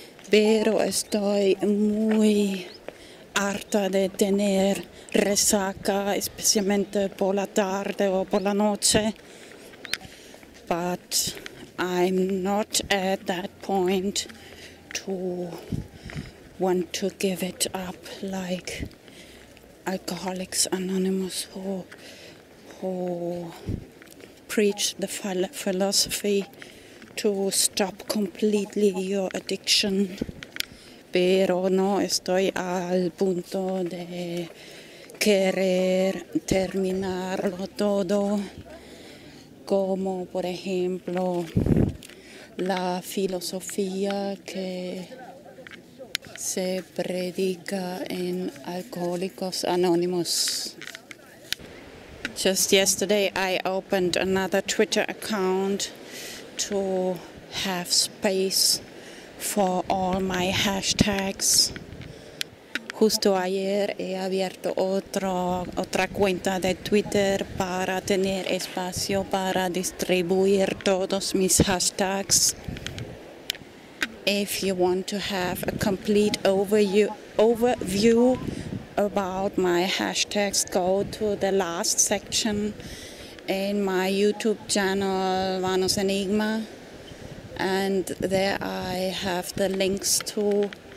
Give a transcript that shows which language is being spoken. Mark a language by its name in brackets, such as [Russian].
[Spanish] Pero estoy muy harta de tener resaca, especialmente por la tarde o por la noche. [English] But I'm not at that point to want to give it up like Alcoholics Anonymous who preach the philosophy to stop completely your addiction. [Spanish] Pero no estoy al punto de querer terminarlo todo. Como por ejemplo la filosofía que se predica en Alcohólicos Anónimos. [English] Just yesterday I opened another Twitter account to have space for all my hashtags. [Spanish] Justo ayer he abierto otra cuenta de Twitter para tener espacio para distribuir todos mis hashtags. [English] If you want to have a complete overview about my hashtags, go to the last section in my YouTube channel, Vanos Enigma. And there I have the links to...